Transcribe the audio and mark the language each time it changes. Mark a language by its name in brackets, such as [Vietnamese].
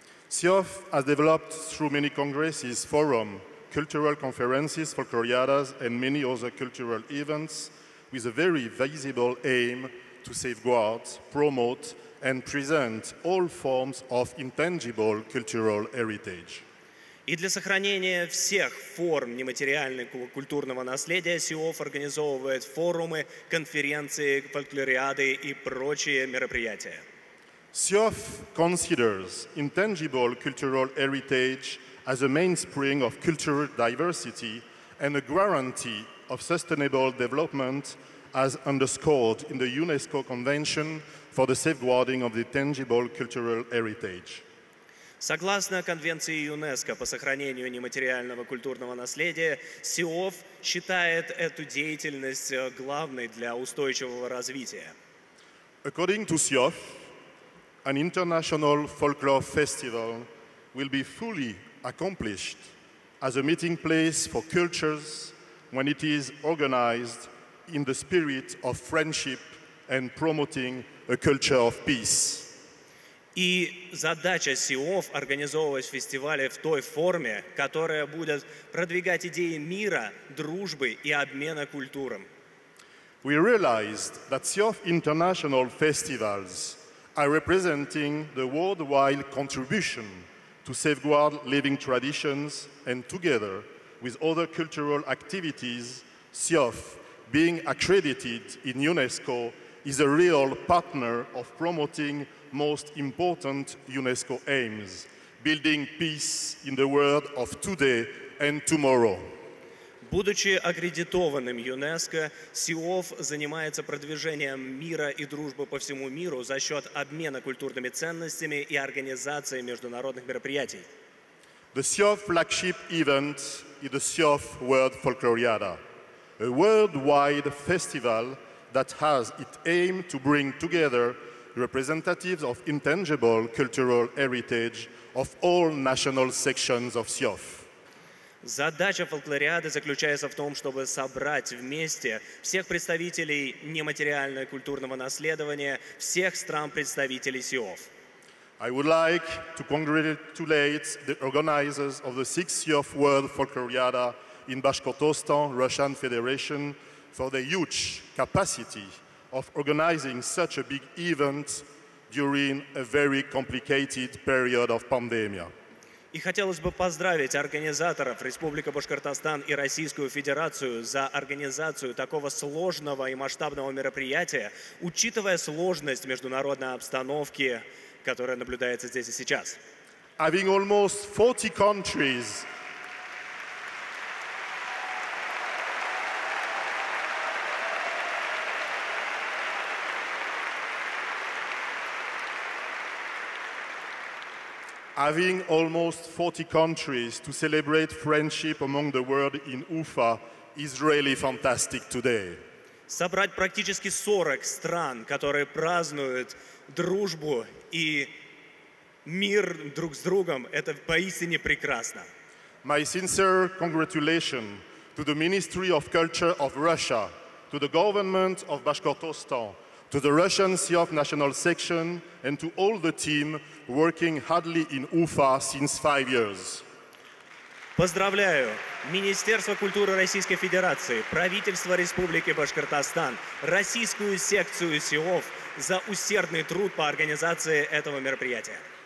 [English] CIOFF has developed through many congresses, forums, cultural conferences, folkloriadas, and many other cultural events with a very visible aim to safeguard, promote, and present all forms of intangible cultural heritage. [Russian] И для сохранения всех форм нематериального культурного наследия CIOFF организовывает форумы, конференции, фольклориады и прочие мероприятия. [English] CIOFF considers intangible cultural heritage as a mainspring of cultural diversity and a guarantee of sustainable development, as underscored in the UNESCO Convention for the Safeguarding of the Tangible Cultural Heritage. [Russian] Согласно Конвенции ЮНЕСКО по сохранению нематериального культурного наследия, CIOFF считает эту деятельность главной для устойчивого развития. [English] According to CIOFF, an international folklore festival will be fully accomplished as a meeting place for cultures when it is organized in the spirit of friendship and promoting a culture of peace. [Russian] И задача CIOFF организовывать фестивали в той форме, которая будет продвигать идеи мира, дружбы и обмена культурам. [English] We realized that CIOFF international festivals are representing the worldwide contribution to safeguard living traditions and together with other cultural activities, CIOFF, being accredited in UNESCO, is a real partner of promoting most important UNESCO aims, building peace in the world of today and tomorrow. [Russian] Будучи аккредитованным ЮНЕСКО, CIOFF занимается продвижением мира и дружбы по всему миру за счет обмена культурными ценностями и организации международных мероприятий. [English] The CIOFF flagship event is the CIOFF World Folkloriada, a worldwide festival that has its aim to bring together representatives of intangible cultural heritage of all national sections of CIOFF. [Russian] Задача фольклориады заключается в том, чтобы собрать вместе всех представителей нематериального культурного наследования всех стран-представителей CIOFF. [English] I would like to congratulate the organizers of the 6th CIOFF World Folkloriada in Bashkortostan, Russian Federation, for the huge capacity of organizing such a big event during a very complicated period of pandemia. [Russian] И хотелось бы поздравить организаторов Республики Башкортостан и Российскую Федерацию за организацию такого сложного и масштабного мероприятия, учитывая сложность международной обстановки, которая наблюдается здесь и сейчас. [English] Having almost 40 countries. having almost 40 countries to celebrate friendship among the world in Ufa is really fantastic today. [Russian] Собрать практически 40 стран, которые празднуют дружбу и мир друг с другом, это поистине прекрасно. [English] My sincere congratulations to the Ministry of Culture of Russia, to the government of Bashkortostan, to the Russian CIOFF National Section, and to all the team working hardly in Ufa since 5 years. [Russian] Поздравляю Министерство культуры Российской Федерации, правительство Республики Башкортостан, российскую секцию CIOFF за усердный труд по организации этого мероприятия.